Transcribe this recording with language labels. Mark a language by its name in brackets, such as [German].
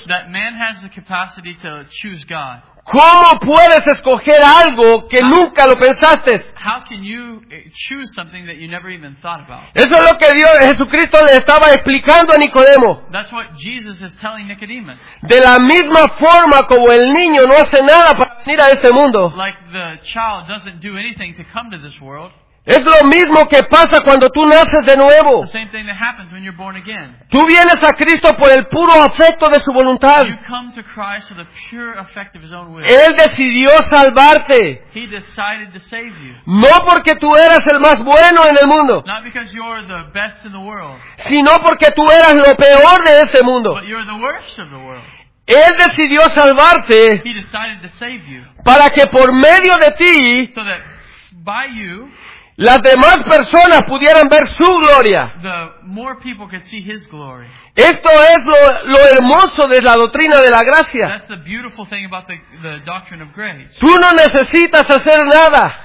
[English] That man has the capacity to choose God. [Spanish] ¿Cómo puedes escoger algo que nunca lo pensaste? [English] How can you choose something that you never even thought about? [Spanish] Eso es lo que Dios, Jesucristo le estaba explicando a Nicodemo. [English] That's what Jesus is telling Nicodemus. [Spanish] De la misma forma como el niño no hace nada para venir a este mundo. [English] Like the child doesn't do anything to come to this world. [Spanish] Es lo mismo que pasa cuando tú naces de nuevo. [English] The same thing that happens when you're born again. [Spanish] Tú vienes a Cristo por el puro afecto de su voluntad. [English] You come to Christ for the pure effect of His own will. [Spanish] Él decidió salvarte. [English] He decided to save you. [Spanish] No porque tú eras el más bueno en el mundo. [English] Not because you're the best in the world. [Spanish] Sino porque tú eras lo peor de ese mundo. [English] But you're the worst of the world. [Spanish] Él decidió salvarte. [English] He decided to save you. [Spanish] Para que por medio de ti. [English] So that by you. [Spanish] Las demás personas pudieran ver su gloria. [English] The more people could see His glory. [Spanish] Esto es lo hermoso de la doctrina de la gracia. [English] That's the beautiful thing about the doctrine of grace. [Spanish] Tú no necesitas hacer nada.